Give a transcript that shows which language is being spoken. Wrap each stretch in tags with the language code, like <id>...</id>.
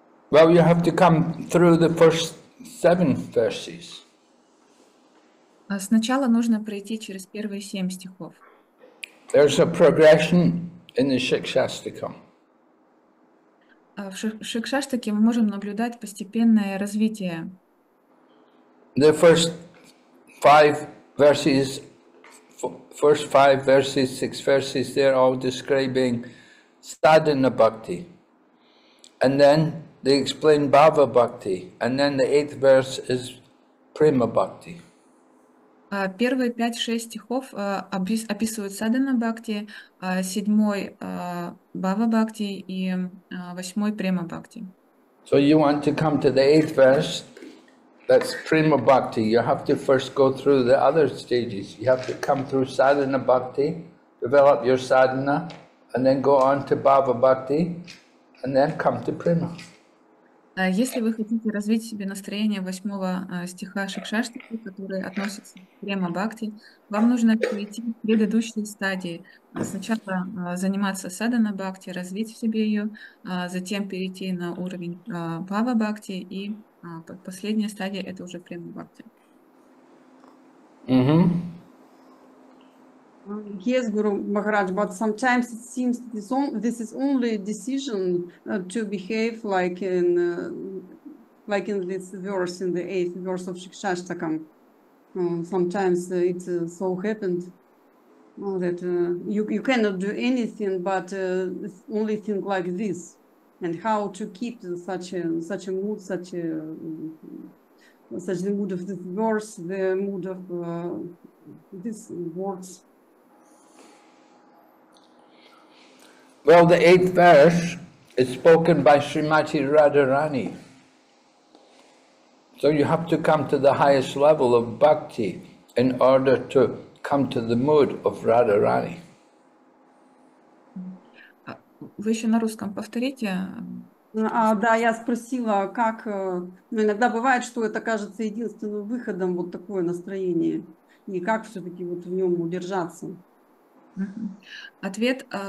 <en>Well, you have to come through the first 7 verses.</en> <ru>Сначала нужно пройти через первые 7 стихов.</ru> <en>There's a progression in the Shikshastakam.</en> <ru>В Шикшаштаке мы можем наблюдать постепенное развитие.</ru> <en>The first 5 verses, first 5 verses, 6 verses, they're all describing sadhana bhakti. And then they explain bhava bhakti, and then the 8th verse is prema bhakti.</en> <ru>Первые 5-6 стихов описывают садхана бхакти, 7-й бхава бхакти и 8-й према бхакти.</ru> <en>So you want to come to the 8th verse, that's prema bhakti. You have to first go through the other stages. You have to come through sadhana bhakti, develop your sadhana, and then go on to bhava bhakti, and then come to prema.</en> <ru>Если вы хотите развить себе настроение 8 стиха Шикшаштаки, который относится к према бхакти, вам нужно перейти к предыдущей стадии. Сначала заниматься садхана бхакти, развить в себе ее, затем перейти на уровень бхава бхакти, и последняя стадия — это уже према бхакти. Mm-hmm.</ru> <en>Yes, Guru Maharaj, but sometimes it seems this, this is only a decision to behave like in this verse, in the 8th verse of Shikshashtakam. Sometimes it so happened that you cannot do anything but only think like this. And how to keep such a mood, such the mood of this verse, the mood of this words. Well, the 8th verse is spoken by Srimati Radharani. So you have to come to the highest level of bhakti in order to come to the mood of Radharani.</en> <ru>Вы еще на русском повторите? Да, я спросила, как... Ну, иногда бывает, что это кажется единственным выходом, вот такое настроение. И как все-таки вот в нем удержаться? Ответ...</ru>